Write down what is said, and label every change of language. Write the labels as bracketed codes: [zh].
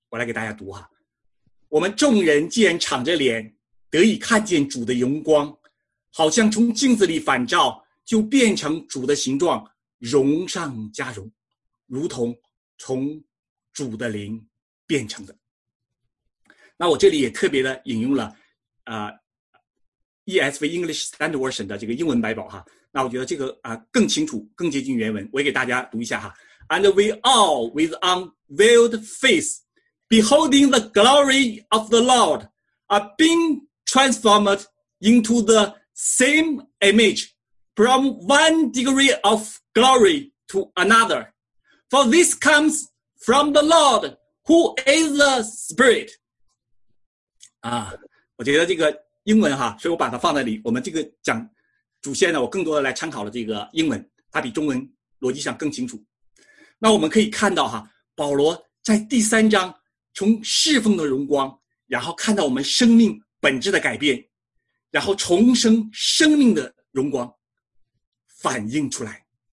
[zh] 我来给大家读哈，我们众人既然敞着脸得以看见主的荣光，好像从镜子里反照，就变成主的形状，荣上加荣，如同从主的灵变成的。那我这里也特别的引用了ESV English Standard Version 的这个英文白宝哈，那我觉得这个更清楚，更接近原文，我也给大家读一下哈。 [en] And we all with unveiled face beholding the glory of the Lord are being transformed into the same image from one degree of glory to another. For this comes from the Lord who is the Spirit. [zh] 我觉得这个英文哈，所以我把它放在里。我们这个讲主线呢，我更多的来参考了这个英文，它比中文逻辑上更清楚。那我们可以看到哈，保罗在第三章。从侍奉的荣光，然后看到我们生命本质的改变，然后重生生命的荣光反映出来。